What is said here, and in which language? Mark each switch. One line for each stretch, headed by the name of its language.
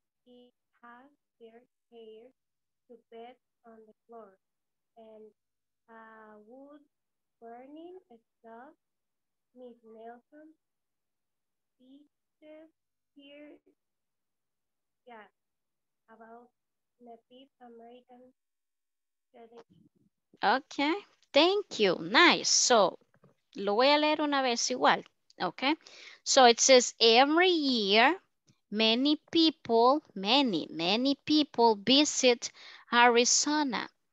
English: She has their chair to bed on the floor and a wood burning stove. Miss Nelson teaches here about Native American tradition. Okay, thank you. Nice.
Spanish: So, lo voy a leer una vez igual.
English: Okay. So, it says, every year, many people visit Arizona.